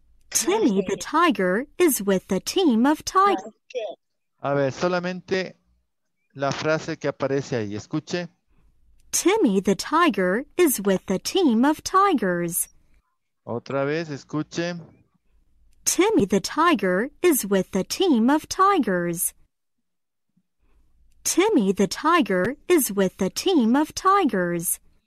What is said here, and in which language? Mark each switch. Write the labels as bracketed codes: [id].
[en] Timmy the tiger is with a team of tigers. [es] A ver, solamente la frase que aparece ahí. Escuche. [en] Timmy the tiger is with a team of tigers. [es] Otra vez, escuche. [en] Timmy the tiger is with a team of tigers. Timmy the tiger is with a team of tigers.